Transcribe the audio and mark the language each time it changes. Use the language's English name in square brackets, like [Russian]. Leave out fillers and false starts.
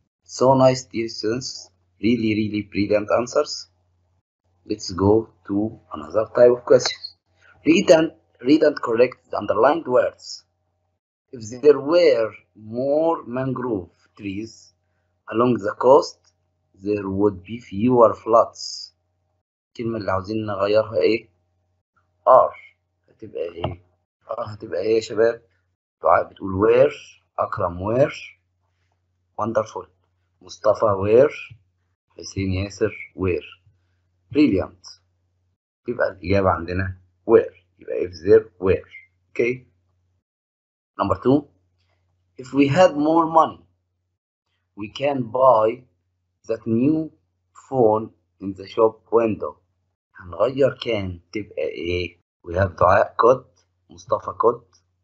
[English] So nice, dear students. Really, really brilliant answers. Let's go to another type of questions. Read and read and correct the underlined words. If there were more mangrove trees along the coast, there would be fewer floods. [Arabic] الكلمة اللي عاوزين نغيرها ايه؟ [English] are. [Arabic] هتبقى ايه؟ [English] are [Arabic] هتبقى ايه يا شباب؟ دعاء بتقول [English] where. أكرم where. wonderful. مصطفى where. حسين ياسر where. brilliant. [Arabic] يبقى الإجابة عندنا [English] where. [Arabic] يبقى [English] if there where. okay. number two. if we had more money we can buy that new phone in the shop window. [Arabic] هنغير كان تبقى ايه؟ [English] we have [Arabic] دعاء [English] could. [Arabic] مصطفى could.